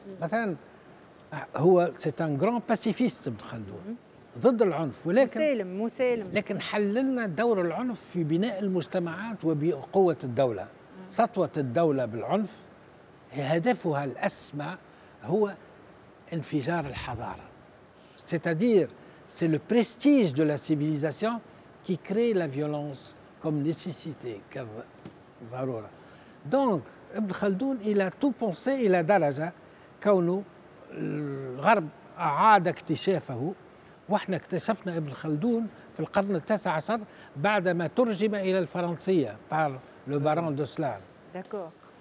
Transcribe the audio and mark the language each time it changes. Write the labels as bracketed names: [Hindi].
[Arabic] مثلا هو [French] سي ان جران باسيفيست [Arabic] ابن خلدون، ضد العنف، ولكن مسالم مسالم، لكن حللنا دور العنف في بناء المجتمعات وبقوه الدوله. سطوه الدوله بالعنف هدفها الأسمى هو انفجار الحضارة. [French] C'est-à-dire, c'est le prestige de la civilisation qui crée la violence comme nécessité, comme [Arabic] ضرورة. Donc, ابن خلدون [French] إلى تو بونسي [Arabic] إلى درجة كونه الغرب أعاد اكتشافه، وإحنا اكتشفنا ابن خلدون في القرن التاسع عشر بعدما ترجم إلى الفرنسية [French] par le baron de Slane. D'accord.